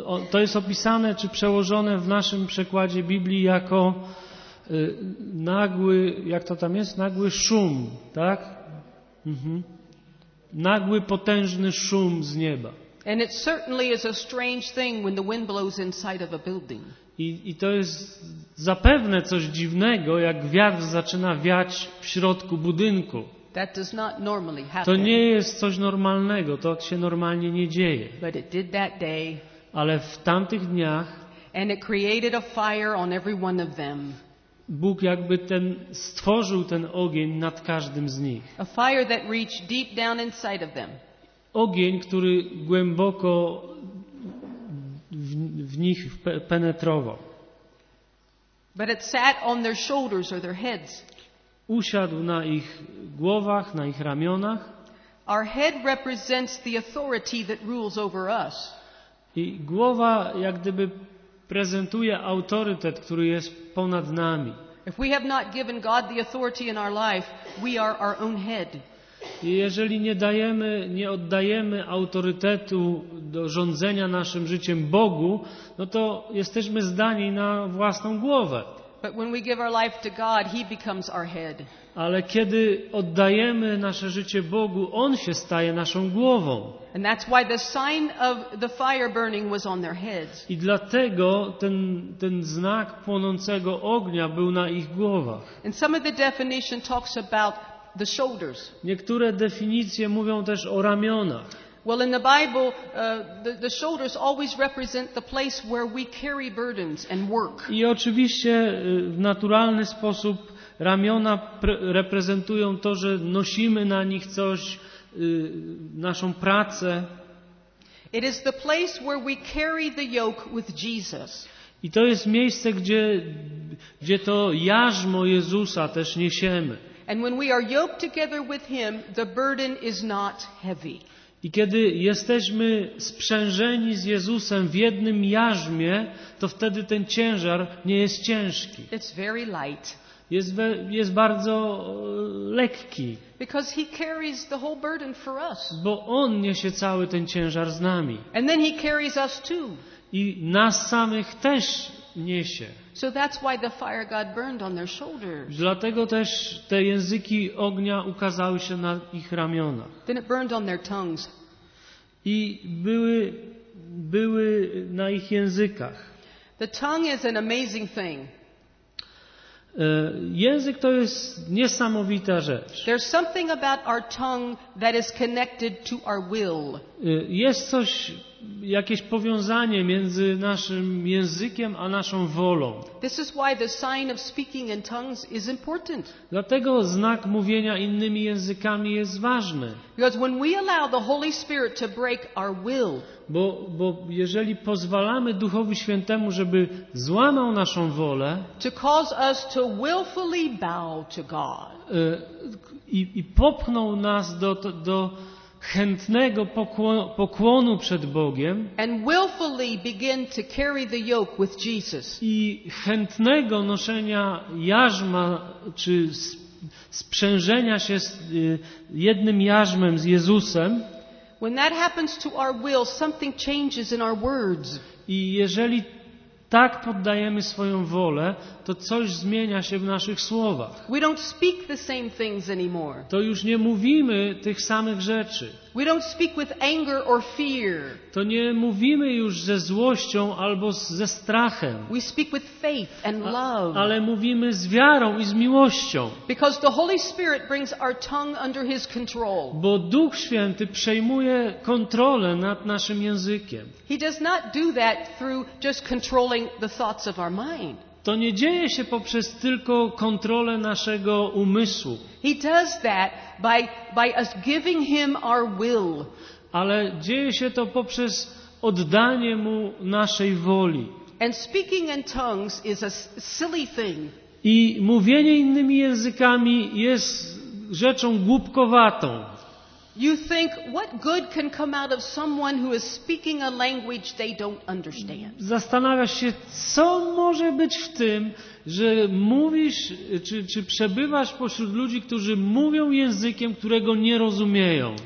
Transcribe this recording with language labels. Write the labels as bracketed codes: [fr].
[pl] To jest opisane czy przełożone w naszym przekładzie Biblii jako nagły, jak to tam jest, nagły szum, tak? Mm-hmm. Nagły, potężny szum z nieba. [en] And it certainly is a strange thing when the wind blows inside of a building. [pl] I to jest zapewne coś dziwnego, jak wiatr zaczyna wiać w środku budynku. [en] That does not normally happen. [pl] To nie jest coś normalnego, to się normalnie nie dzieje. [en] But it did that day. [pl] Ale w tamtych dniach. [en] And it created a fire on every one of them. [pl] Bóg jakby stworzył ten ogień nad każdym z nich. [en] A fire that reached deep down inside of them. [pl] Ogień, który głęboko w nich penetrował. [en] But it sat on their shoulders or their heads. [pl] Usiadł na ich głowach, na ich ramionach. [en] Our head represents the authority that rules over us. [pl] I głowa jak gdyby prezentuje autorytet, który jest ponad nami. [en] If we have not given God the authority in our life, we are our own head. [pl] Jeżeli nie oddajemy autorytetu do rządzenia naszym życiem Bogu, no to jesteśmy zdani na własną głowę. [en] But when we give our life to God, he becomes our head. [pl] Ale kiedy oddajemy nasze życie Bogu, on się staje naszą głową. [en] And that's why the sign of the fire burning was on their heads. [pl] I dlatego ten znak płonącego ognia był na ich głowach. [en] And some of the definition talks about the shoulders. [pl] Niektóre definicje mówią też o ramionach. [en] Well, in the Bible, the shoulders always represent the place where we carry burdens and work. [pl] I oczywiście w naturalny sposób ramiona reprezentują to, że nosimy na nich coś, naszą pracę. [en] It is the place where we carry the yoke with Jesus. [pl] I to jest miejsce, gdzie to jarzmo Jezusa też niesiemy. [en] And when we are yoked together with him, the burden is not heavy. [pl] I kiedy jesteśmy sprzężeni z Jezusem w jednym jarzmie, to wtedy ten ciężar nie jest ciężki. [en] It's very light. [pl] Jest bardzo lekki. [en] Because he carries the whole burden for us. [pl] Bo on niesie cały ten ciężar z nami. [en] And then he carries us too. [pl] I nas samych też niesie. [en] So that's why the fire God burned on their shoulders. [pl] Dlatego też te języki ognia ukazały się na ich ramionach. [en] Then it burned on their tongues. [pl] I były na ich językach. [en] The tongue is an amazing thing. [pl] Język to jest niesamowita rzecz. [en] There's something about our tongue that is connected to our will. [pl] Jest coś, jakieś powiązanie między naszym językiem a naszą wolą. [en] This is why the sign of speaking in tongues is important. [pl] Dlatego znak mówienia innymi językami jest ważny. [en] Because when we allow the Holy Spirit to break our will. [pl] Bo jeżeli pozwalamy Duchowi Świętemu, żeby złamał naszą wolę, [en] to cause us to willfully bow to God. [pl] I popchnął nas do chętnego pokłonu przed Bogiem [en] and willfully begin to carry the yoke with Jesus. [pl] I chętnego noszenia jarzma czy sprzężenia się z jednym jarzmem z Jezusem, [en] When that happens to our will, something changes in our words. [pl] I jeżeli tak poddajemy swoją wolę, to coś zmienia się w naszych słowach. [en] We don't speak the same things anymore. [pl] To już nie mówimy tych samych rzeczy. [en] We don't speak with anger or fear. [pl] To nie mówimy już ze złością albo ze strachem. [en] We speak with faith and love. [pl] Ale mówimy z wiarą i z miłością. [en] Because the Holy Spirit brings our tongue under His control. [pl] Bo Duch Święty przejmuje kontrolę nad naszym językiem. [en] He does not do that through just controlling the thoughts of our mind. [pl] To nie dzieje się poprzez tylko kontrolę naszego umysłu. [en] He does that by us giving him our will. [pl] Ale dzieje się to poprzez oddanie mu naszej woli. [en] And speaking in tongues is a silly thing. [pl] I mówienie innymi językami jest rzeczą głupkowatą. [en] You think what good can come out of someone who is speaking a language they don't understand. [pl] Zastanawiasz się, co może być w tym, że mówisz czy przebywasz pośród ludzi, którzy mówią językiem, którego nie rozumieją.